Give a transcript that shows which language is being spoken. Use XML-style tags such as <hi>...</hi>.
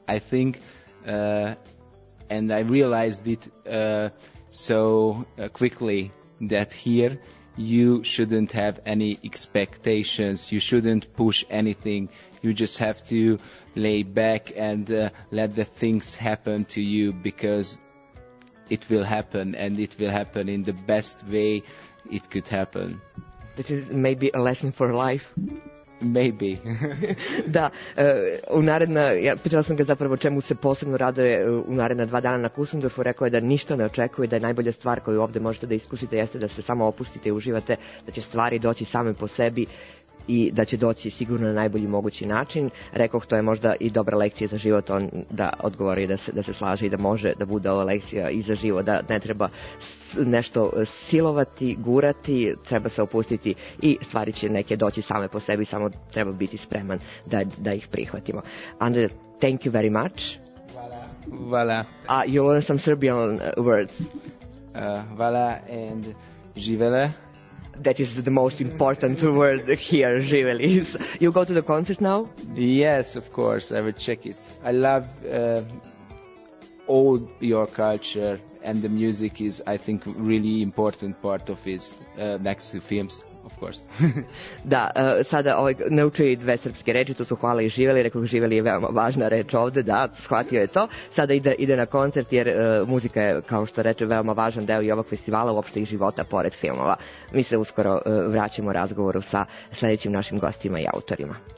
<en>I think and I realized it so quickly that here you shouldn't have any expectations, you shouldn't push anything, you just have to lay back and let the things happen to you, because it will happen, and it will happen in the best way it could happen. This is maybe a lesson for life. Maybe.</en> <sr>Da, u naredna, ja pitala sam ga zapravo čemu se posebno raduje u naredna dva dana na Kusendorfu, rekao je da ništa ne očekuje, da je najbolja stvar koju ovde možete da iskusite jeste da se samo opustite i uživate, da će stvari doći same po sebi i da će doći sigurno na najbolji mogući način. Rekoh, to je možda i dobra lekcija za život, on da odgovori da se slaže i da može da bude ova lekcija i za život, da ne treba nešto silovati, gurati, treba se opustiti i stvari će neke doći same po sebi, samo treba biti spreman da ih prihvatimo.</sr> <en>Andre, thank you very much.</en> <fr>Voilà.</fr> <en>You learned some Serbian words. Voilà and živele. That is the most important word here, Živeli. You go to the concert now? Yes, of course, I will check it. I love all your culture, and the music is, I think, really important part of it, next to films, of course.</en> <sr>Da, sada naučio je dve srpske reči, to su hvala i živeli, rekao je živeli je veoma važna reč ovde, da, shvatio je to. Sada ide na koncert, jer muzika je, kao što reče, veoma važan deo i ovog festivala, uopšte i života pored filmova. Mi se uskoro vraćamo razgovoru sa sledećim našim gostima i autorima.</sr>